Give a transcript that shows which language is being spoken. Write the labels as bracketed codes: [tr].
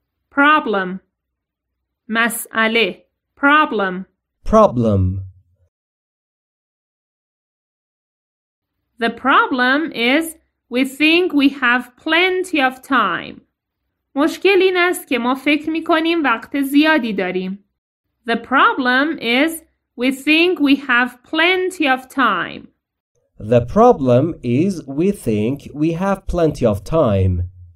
[en] Problem. مسئله. Problem. Problem. The problem is we think we have plenty of time. [fa] مشکل این است که ما فکر می‌کنیم وقت زیادی داریم. [en] The problem is we think we have plenty of time. The problem is we think we have plenty of time.